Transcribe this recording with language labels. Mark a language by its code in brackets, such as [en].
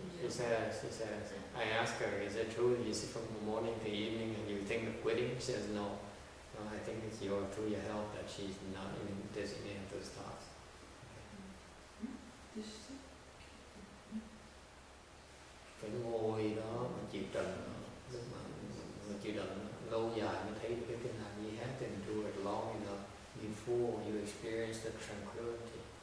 [en] She says, I ask her, is it true that you sit from the morning to the evening and you think of quitting? She says, no. No, I think it's your, through your help that she's not even designated those thoughts. [vi] Phải ngồi đó mà chịu đựng, lúc mà chịu đựng lâu dài mới thấy cái tình hình. [en] You have to endure it long enough before you experience the tranquility.